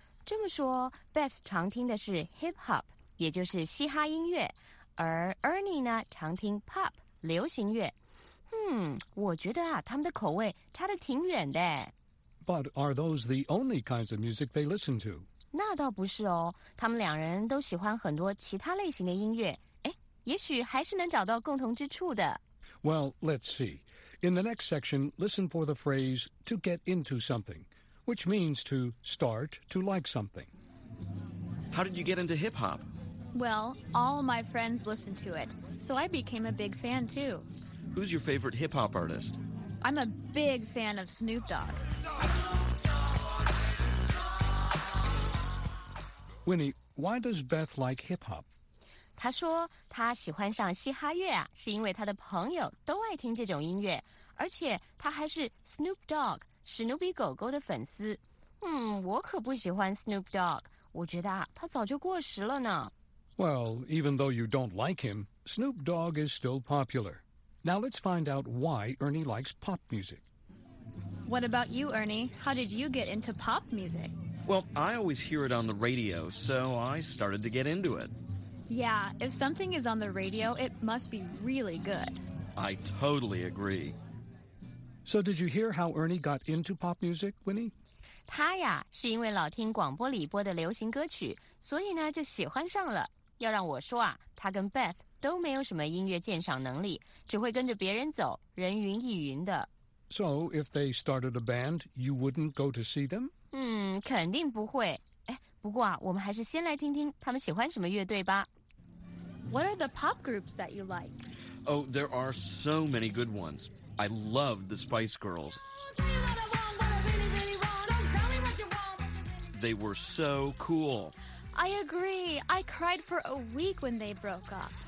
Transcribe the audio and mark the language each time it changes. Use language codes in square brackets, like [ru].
[zh] 这么说 ,Beth 常听的是 hip-hop, 也就是嘻哈音乐。而 Ernie 呢,常听 pop, 流行乐。我觉得啊，他们的口味差得挺远的。 [en] But are those the only kinds of music they listen to? [zh] 那倒不是哦，他们两人都喜欢很多其他类型的音乐。哎，也许还是能找到共同之处的。 [en] Well, let's see. In the next section, listen for the phrase to get into something, which means to start to like something. How did you get into hip-hop? Well, all my friends listen to it, so I became a big fan too. Who's your favorite hip-hop artist? I'm a big fan of Snoop Dogg. Winnie, why does Beth like hip-hop? [zh] 她说她喜欢上嘻哈乐啊，是因为她的朋友都爱听这种音乐，而且她还是 Snoop Dogg, 史努比狗狗的粉丝。我可不喜欢 Snoop Dogg, 我觉得啊，他早就过时了呢。 [en] Well, even though you don't like him, Snoop Dogg is still popular. Now let's find out why Ernie likes pop music. What about you, Ernie? How did you get into pop music? Well, I always hear it on the radio, so I started to get into it. Yeah, if something is on the radio, it must be really good. I totally agree. So did you hear how Ernie got into pop music, Winnie? [zh] 他呀，是因为老听广播里播的流行歌曲，所以呢，就喜欢上了。要让我说啊，他跟 Beth... 都没有什么音乐鉴赏能力，只会跟着别人走，人云亦云的。 [en] So, if they started a band, you wouldn't go to see them? [zh] 肯定不会。哎，不过啊，我们还是先来听听他们喜欢什么乐队吧。 [en] What are the pop groups that you like? Oh, there are so many good ones. I love the Spice Girls. They were so cool. I agree. I cried for a week when they broke up.